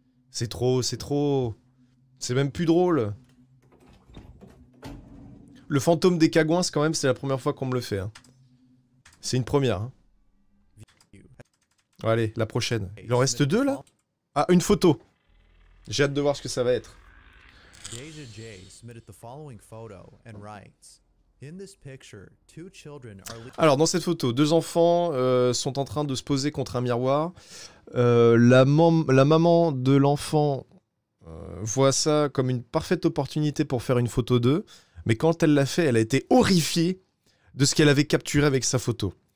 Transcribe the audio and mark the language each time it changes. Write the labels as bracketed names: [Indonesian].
[French] C'est trop. C'est même plus drôle. Le fantôme des Cagouins, quand même, c'est la première fois qu'on me le fait. Hein. C'est une première. Hein. Allez, la prochaine. Il en reste deux, là ? Ah, une photo. J'ai hâte de voir ce que ça va être. [English] Deja J submitted the following photo and writes. In this picture, two children are... [French] Alors, dans cette photo, deux enfants sont en train de se poser contre un miroir. La maman de l'enfant voit ça comme une parfaite opportunité pour faire une photo d'eux. Mais quand elle l'a fait, elle a été horrifiée de ce qu'elle avait capturé avec sa photo.